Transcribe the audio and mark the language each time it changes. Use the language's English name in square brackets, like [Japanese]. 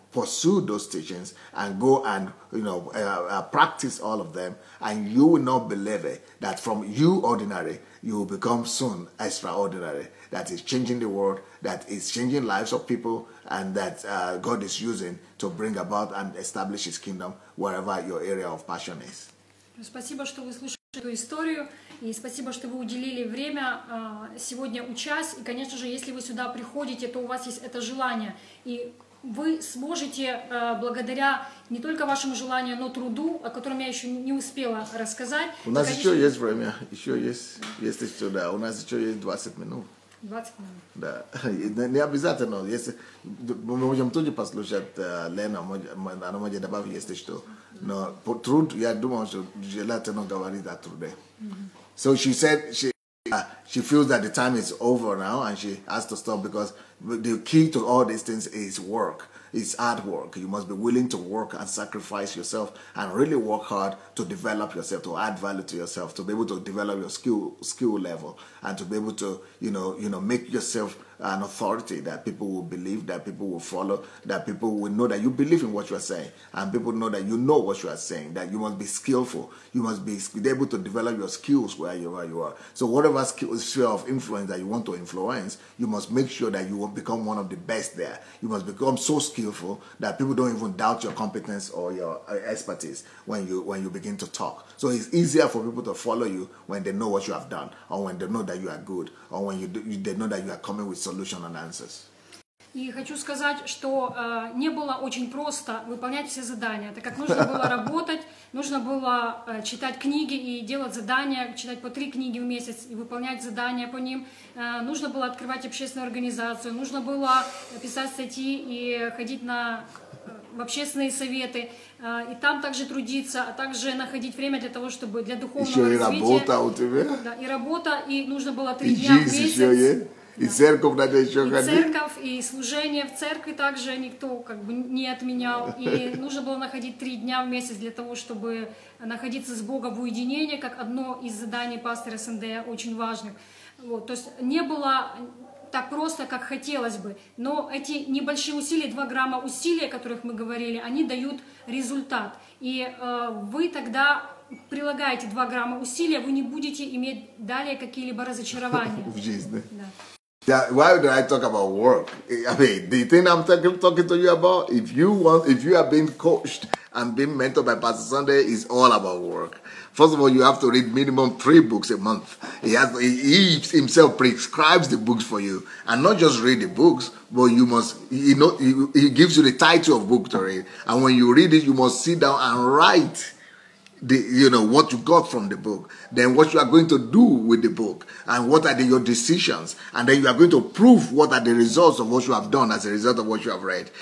[English] pursue those teachings and go and, you know, practice all of them, and you will not believe it, that from you ordinary, you will become soon extraordinary, that is changing the world, that is changing lives of people, and that God is using to bring about and establish His kingdom wherever your area of passion is. [Russian] Спасибо, что вы слушали эту историю, и спасибо, что вы уделили время сегодня учась. И, конечно же, если вы сюда приходите, то у вас есть это желание, и вы сможете благодаря не только вашему желанию, но труду, о котором я еще не успела рассказать. У нас еще есть время, еще есть, если что, да, у нас еще есть 20 минут. 20 минут. Да, не обязательно, если мы можем тут же послушать Лену, она может добавить, если что. [English] No, but truth, yeah, I don't want to let her not go about that today. So she said she feels that the time is over now and she has to stop, because the key to all these things is work. It's hard work. You must be willing to work and sacrifice yourself and really work hard to develop yourself, to add value to yourself, to be able to develop your skill level, and to be able to, you know, make yourself an authority that people will believe, that people will follow, that people will know that you believe in what you are saying, and people know that you know what you are saying, that you must be skillful. You must be able to develop your skills wherever you are. So whatever sphere of influence that you want to influence, you must make sure that you will become one of the best there. You must become so skillful that people don't even doubt your competence or your expertise when you begin to talk. So it's easier for people to follow you when they know what you have done, or when they know that you are good, or when they know that you are coming with solution and answers. [Russian] И хочу сказать, что не было очень просто выполнять все задания, так как нужно было работать, нужно было читать книги и делать задания, читать по 3 книги в месяц и выполнять задания по ним. Нужно было открывать общественную организацию, нужно было писать статьи и ходить в общественные советы, и там также трудиться, а также находить время для того, чтобы для духовного еще развития. И работа у тебя. Да, и работа, и нужно было 3 дня в месяц. Еще есть. И да. Церковь надо еще и ходить. Церковь, и служение в церкви также никто как бы не отменял. И нужно было находить 3 дня в месяц для того, чтобы находиться с Богом в уединении, как одно из заданий пастора СНДА очень важных. Вот. То есть не было так просто, как хотелось бы. Но эти небольшие усилия, 2 грамма усилия, о которых мы говорили, они дают результат. И вы тогда прилагаете 2 грамма усилия, вы не будете иметь далее какие-либо разочарования. В жизни. Да. [English] Yeah, why did I talk about work? I mean, the thing I'm talking to you about, if you are being coached and being mentored by Pastor Sunday, is all about work. First of all, you have to read minimum 3 books a month. He himself prescribes the books for you, and not just read the books, but you must, he gives you the title of book to read, and when you read it, you must sit down and write what you got from the book, then what you are going to do with the book, and what are your decisions, and then you are going to prove what are the results of what you have done as a result of what you have read.